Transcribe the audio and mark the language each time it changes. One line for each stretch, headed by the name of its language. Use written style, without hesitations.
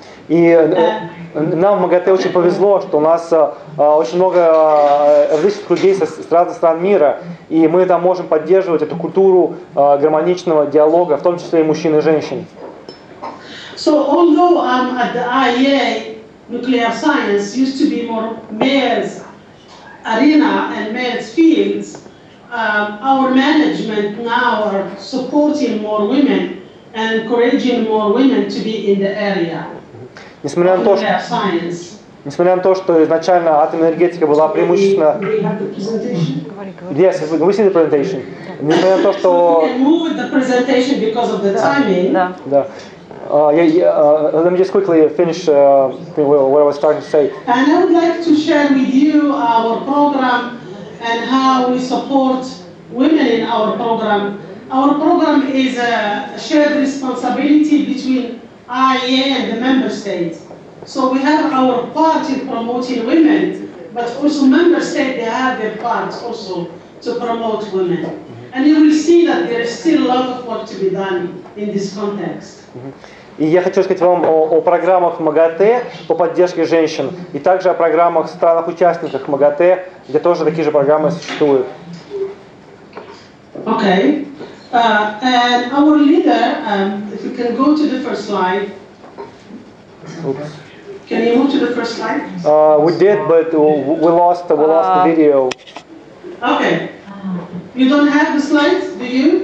Russian: И нам в МАГАТЭ очень повезло, что у нас очень много различных людей с разных стран мира, и мы там можем поддерживать эту культуру гармоничного диалога, в том числе и мужчин и женщин.
English: So although I'm at the IEA, nuclear science used to be more male's arena and male's fields, our management now are supporting more women. And encouraging more women to be in the area.
Russian: Несмотря на то, что изначально атомная энергетика была преимущественно.
English: Yes, we see the presentation.
Russian: Несмотря на то, что.
English: Move the presentation because of the timing.
Russian: Да.
English: Let me just quickly finish what I was starting to say. And I would like to share with you our program and how we support women in our program. Our program is a shared responsibility between IEA and the member states. So we have our part in promoting women, but also member states, they have their part also to promote women. And you will see that there is still a lot of work to be done in this context.
Russian: И я хочу сказать вам о программах МАГАТЭ по поддержке женщин, и также о программах в странах-участниках МАГАТЭ, где тоже такие же программы существуют.
English: Okay. And our leader, if you can go to the first slide. Oops. Can you move to the first slide? We did, but we lost the video. Okay. You don't have the slides, do you?